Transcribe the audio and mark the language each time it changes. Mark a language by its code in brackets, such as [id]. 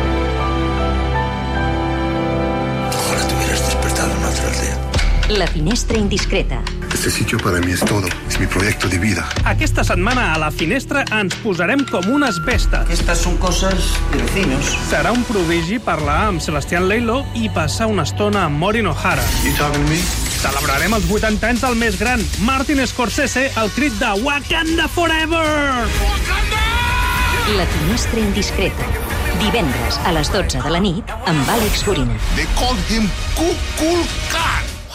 [es] Ojalá te hubieras despertado en otra aldea. [ca] La Finestra Indiscreta. [es] Este sitio para mí es todo. Es mi proyecto de vida. [ca] Aquesta setmana a La Finestra ens posarem com unes bestes. [es] Estas son cosas de vecinos. [ca] Serà un prodigi parlar amb Sebastián Leilo i passar una estona amb Maureen O'Hara. [en] You talking to me? [ca] Celebrarem els 80 anys del més gran, Martin Scorsese, el crit de Wakanda Forever! Wakanda! La Finestra Indiscreta. Divendres a les 12 de la nit amb Àlex Gorina. [en] They called him Kukulkan!